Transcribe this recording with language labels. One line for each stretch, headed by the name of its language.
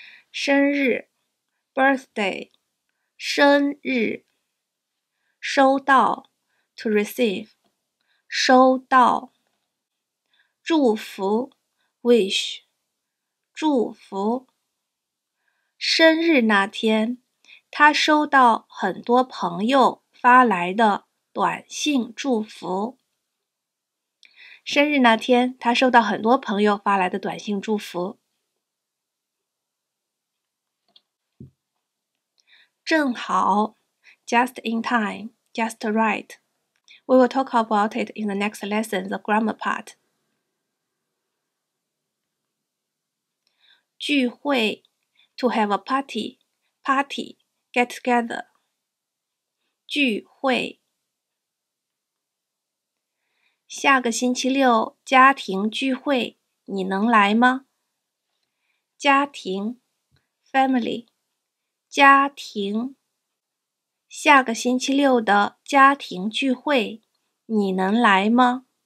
Chinese: 生日
English: birthday
Chinese: 生日收到
English: to receive
Chinese: 收到祝福
English: wish
Chinese: 祝福生日那天，他收到很多朋友发来的短信祝福。生日那天，他收到很多朋友发来的短信祝福。正好
English: ,just in time, just right. We will talk about it in the next lesson, the grammar part.
Chinese: 聚会
English: To have a party, party, get together, 聚会。
Chinese: 下个星期六家庭聚会，你能来吗？家庭 ,
English: family,
Chinese: 家庭。下个星期六的家庭聚会，你能来吗？